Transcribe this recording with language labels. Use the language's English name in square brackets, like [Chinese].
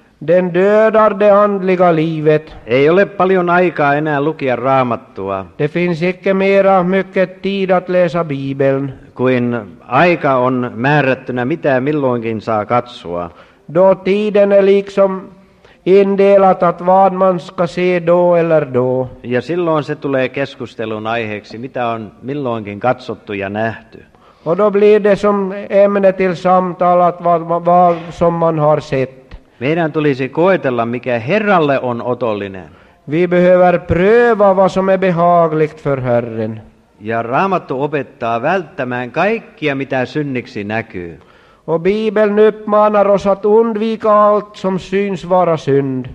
[Swedish] Den dödar det andliga livet. [Finnish] Ei ole paljon aikaa enää lukia Raamattua. [Swedish] Det finns icke mera mycket tid att läsa Bibeln. [Finnish] Kuin aika on määrättynä, mitä milloinkin saa katsoa. [Swedish] Då tiden är liksom indelat att vad man ska se då eller då. [Finnish] Ja silloin se tulee keskustelun aiheeksi, mitä on milloinkin katsottu ja nähty. [Swedish] Och då blir det som ämne till samtal att vad som man har sett. [Finnish] Meidän tulisi koetella, mikä Herralle on otollinen. [Swedish] Vi behöver pröva vad som är behagligt för Herren. [Finnish] Ja Raamattu opettaa välttämään kaikkia, mitä synniksi näkyy. [Swedish] Och Bibeln uppmanar oss att undvika allt som syns vara synd.